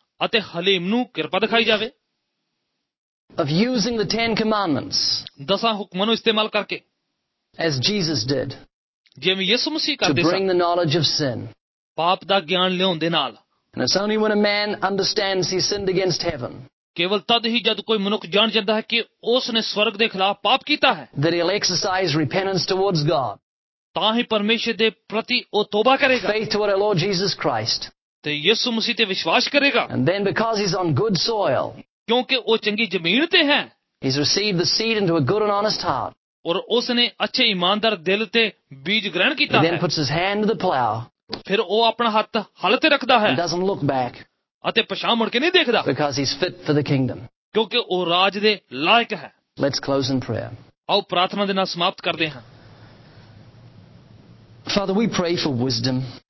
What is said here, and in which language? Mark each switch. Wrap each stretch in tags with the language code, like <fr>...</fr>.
<pa>ਅਤੇ ਹਲੀਮ ਨੂੰ ਕਿਰਪਾ ਦਿਖਾਈ ਜਾਵੇ.</pa> <en>Of using the 10 commandments.</en> <pa>ਦਸਾਂ ਹੁਕਮਾਂ ਨੂੰ ਇਸਤੇਮਾਲ ਕਰਕੇ.</pa> <en>As Jesus did.</en> <pa>ਜਿਵੇਂ ਯਿਸੂ ਮਸੀਹ ਕਰਦੇ ਸਨ.</pa> <en>To bring the knowledge of sin.</en> <pa>ਪਾਪ ਦਾ ਗਿਆਨ ਲਿਆਉਣ ਦੇ ਨਾਲ.</pa> <en>And it's only when a man understands he sinned against heaven.</en> <pa>ਕੇਵਲ ਤਦ ਹੀ ਜਦ ਕੋਈ ਮਨੁੱਖ ਜਾਣ ਜਾਂਦਾ ਹੈ ਕਿ ਉਸ ਨੇ ਸਵਰਗ ਦੇ ਖਿਲਾਫ ਪਾਪ ਕੀਤਾ ਹੈ.</pa> <en>That he'll exercise repentance towards God.</en> <pa>ਤਾਂ ਹੀ ਪਰਮੇਸ਼ਰ ਦੇ ਪ੍ਰਤੀ ਉਹ ਤੋਬਾ ਕਰੇਗਾ.</pa> <en>Faith toward our Lord Jesus Christ.</en> <pa>ਤੇ ਯਿਸੂ ਮਸੀਹ ਤੇ ਵਿਸ਼ਵਾਸ ਕਰੇਗਾ.</pa> <en>And then because he's on good soil.</en> <pa>ਕਿਉਂਕਿ ਉਹ ਚੰਗੀ ਜ਼ਮੀਨ ਤੇ ਹੈ.</pa> <en>He's received the seed into a good and honest heart.</en> <pa>ਔਰ ਉਸ ਨੇ ਅੱਛੇ ਇਮਾਨਦਾਰ ਦਿਲ ਤੇ ਬੀਜ ਗ੍ਰਹਿਣ ਕੀਤਾ ਹੈ.</pa> <en>Then puts his hand to the plow.</en> <pa>ਫਿਰ ਉਹ ਆਪਣਾ ਹੱਥ ਹਲ ਤੇ ਰੱਖਦਾ ਹੈ.</pa> <en>And doesn't look back.</en> <pa>ਅਤੇ ਪਛਾਣ ਮੁੜ ਕੇ ਨਹੀਂ ਦੇਖਦਾ.</pa> <en>Because he's fit for the kingdom.</en> <pa>ਕਿਉਂਕਿ ਉਹ ਰਾਜ ਦੇ ਲਾਇਕ ਹੈ.</pa> <en>Let's close in prayer.</en> <pa>ਆਓ ਪ੍ਰਾਰਥਨਾ ਦੇ ਨਾਲ ਸਮਾਪਤ ਕਰਦੇ ਹਾਂ.</pa> <en>Father, we pray for wisdom.</en>